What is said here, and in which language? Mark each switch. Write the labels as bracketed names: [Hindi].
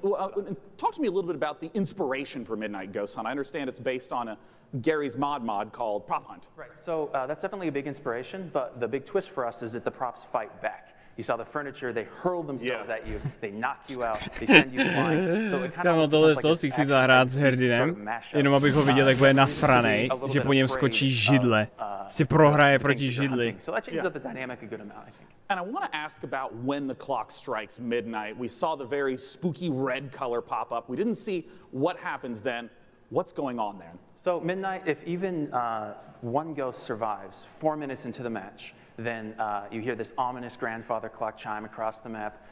[English] Well, talk to me a little bit about the inspiration for Midnight Ghost Hunt. I understand it's based on a Gary's mod called Prop Hunt. Right. So that's definitely a big inspiration, but the big twist for us is that the props fight back. You saw the furniture, they hurl themselves at you, they knock you out, they send you flying. So it kind of looks like an action mashup. [Czech] Jenom abych ho viděl, jak bude nasranej, že po něm skočí židle. Si prohraje proti židli. [English] So that changes up the dynamic a good amount, I think. And I want to ask about when the clock strikes midnight. We saw the very spooky red color pop up. We didn't see what happens then. What's going on then? So midnight, if even one ghost survives 4 minutes into the match, then you hear this ominous grandfather clock chime across the map.